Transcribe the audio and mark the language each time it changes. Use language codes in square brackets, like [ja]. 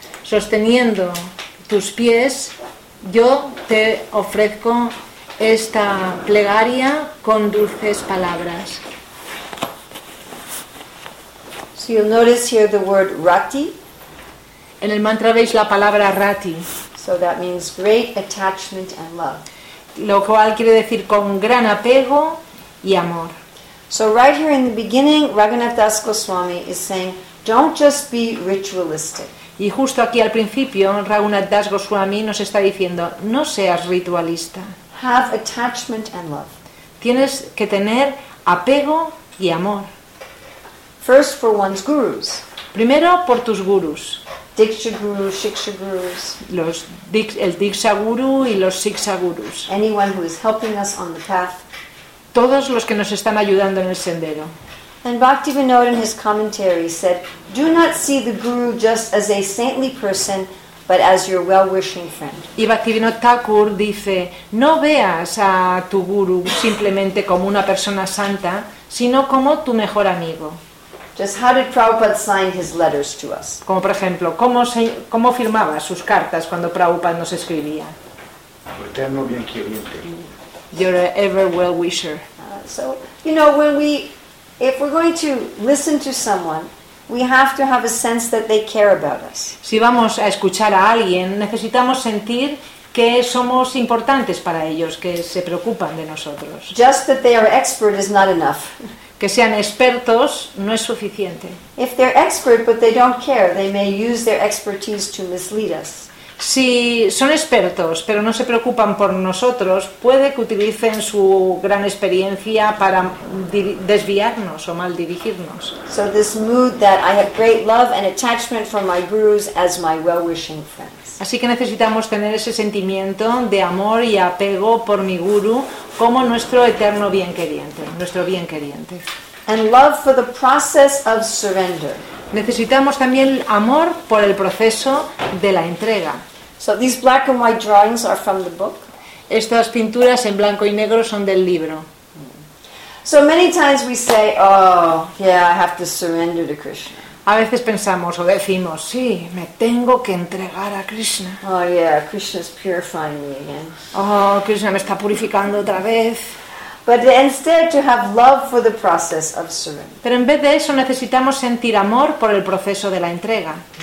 [es] Sosteniendo tus pies, yo te ofrezco esta plegaria con dulces palabras. [en] So you'll notice here the word rati. [es] En el mantra veis la palabra rati. [en] So that means great attachment and love. [es] Lo cual quiere decir con gran apego y amor. [en] So right here in the beginning, Raghunath Das Goswami is saying, don't just be ritualistic. [es] Y justo aquí al principio, Raghunath Das Goswami nos está diciendo, no seas ritualista. [en] Have attachment and love. [es] Tienes que tener apego y amor. [en] First for one's gurus. [es] Primero por tus gurus. [en] Diksha guru, shiksha gurus. [es] El Diksha guru y los Shiksha gurus. [en] Anyone who is helping us on the path. [es] Todos los que nos están ayudando en el sendero. [en] And Bhaktivinoda in his commentary said, "Do not see the guru just as a saintly person, but as your well-wishing friend." [es] Y Bhaktivinoda Thakur dice, "No veas a tu guru simplemente como una persona santa, sino como tu mejor amigo." [en] Just how did Prabhupada sign his letters to us? [es] Como por ejemplo, ¿cómo firmaba sus cartas cuando Prabhupada nos escribía? Eterno bien queriente. [en] You're an ever well wisher. So you know when if we're going to listen to someone, we have to have a sense that they care about us. [es] Si vamos a escuchar a alguien, necesitamos sentir que somos importantes para ellos, que se preocupan de nosotros. [en] Just that they are expert is not enough. [es] Que sean expertos no es suficiente. [en] If they're expert but they don't care, they may use their expertise to mislead us. [es] Si son expertos pero no se preocupan por nosotros, puede que utilicen su gran experiencia para desviarnos o mal dirigirnos. [en] So this mood that I have great love and attachment for my gurus as my well-wishing friends. [es] Así que necesitamos tener ese sentimiento de amor y apego por mi guru como nuestro eterno bien queriente, nuestro bien queriente. [en] And love for the process of surrender. [es] Necesitamos también amor por el proceso de la entrega. [en] So these black and white drawings are from the book. [es] Estas pinturas en blanco y negro son del libro. [en] So many times we say, oh, yeah, I have to surrender to Krishna. [es] A veces pensamos o decimos, sí, me tengo que entregar a Krishna. [en] Oh, yeah, Krishna's purifying me again. [es] Oh, Krishna me está purificando otra vez. [en] But instead to have love for the process of surrender. [es] Pero en vez de eso necesitamos sentir amor por el proceso de la entrega.